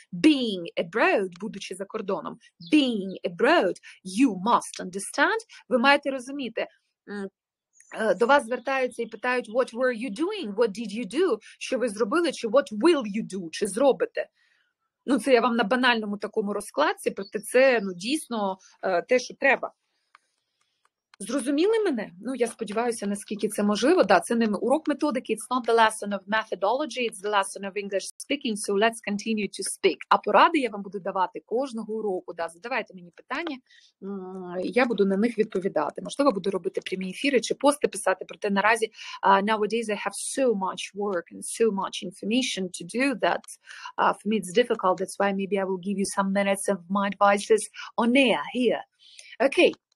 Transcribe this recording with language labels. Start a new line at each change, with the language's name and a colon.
English: Being abroad,
Ukrainian: будучи за кордоном,
English: being abroad, you must understand,
Ukrainian: ви маєте розуміти, до вас звертаються і питають
English: what were you doing, what did you do,
Ukrainian: що ви зробили, чи
English: what will you do,
Ukrainian: чи зробите. Ну, це я вам на банальному такому розкладці, проте це, ну, дійсно те, що треба. Зрозуміли мене? Ну, я сподіваюся, наскільки це можливо. Да, це не урок методики,
English: it's not the lesson of methodology, it's the lesson of English speaking, so let's continue to speak.
Ukrainian: А поради я вам буду давати кожного уроку. Да, задавайте мені питання, я буду на них відповідати. Можливо, буду робити прямі ефіри чи пости писати, проте наразі
English: nowadays I have so much work and so much information to do that for me it's difficult, that's why maybe I will give you some minutes of my advices on air, here. Okay.